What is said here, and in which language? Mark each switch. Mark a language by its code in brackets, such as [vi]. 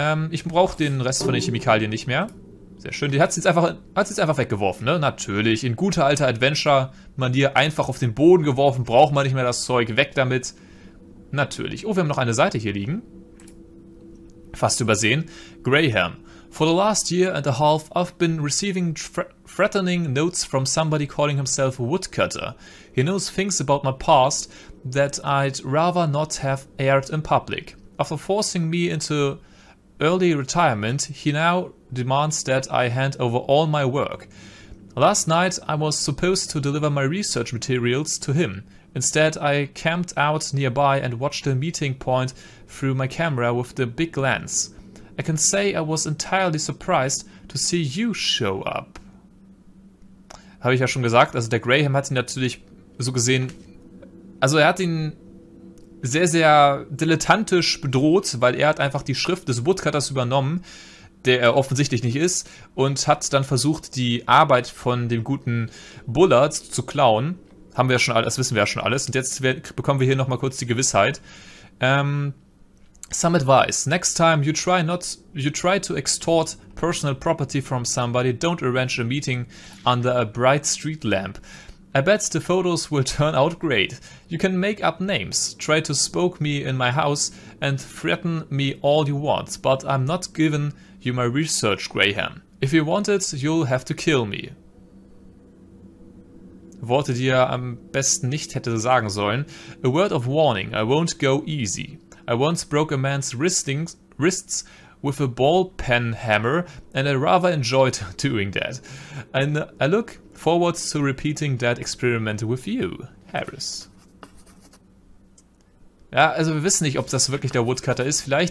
[de] Ich brauche den Rest von den Chemikalien nicht mehr. Sehr schön, die hat sie jetzt einfach, weggeworfen, ne? Natürlich, in guter alter Adventure-Manier einfach auf den Boden geworfen, braucht man nicht mehr das Zeug, weg damit. Natürlich. Oh, wir haben noch eine Seite hier liegen. Fast übersehen. Graham. [en] For the last year and a half, I've been receiving threatening notes from somebody calling himself a woodcutter. He knows things about my past that I'd rather not have aired in public. After forcing me into early retirement, he now demands that I hand over all my work. Last night, I was supposed to deliver my research materials to him. Instead, I camped out nearby and watched the meeting point through my camera with the big lens. I can say I was entirely surprised to see you show up. [de] Habe ich ja schon gesagt, also der Graham hat ihn natürlich so gesehen, also er hat ihn sehr, sehr dilettantisch bedroht, weil er hat einfach die Schrift des Woodcutters übernommen, der er offensichtlich nicht ist, und hat dann versucht, die Arbeit von dem guten Bullard zu klauen. Haben wir ja schon alles, das wissen wir ja schon alles. Und jetzt bekommen wir hier nochmal kurz die Gewissheit. [en] Some advice. Next time you try to extort personal property from somebody, don't arrange a meeting under a bright street lamp. I bet the photos will turn out great. You can make up names, try to spook me in my house and threaten me all you want, but I'm not giving you my research, Graham. If you want it, you'll have to kill me. [de] Worte, die er am besten nicht hätte sagen sollen. [en] A word of warning, I won't go easy. I once broke a man's wrists with a ball pen hammer, and I rather enjoyed doing that. And I look forward to repeating that experiment with you, Harris. [de] Ja, also wir wissen nicht, ob das wirklich der Woodcutter ist.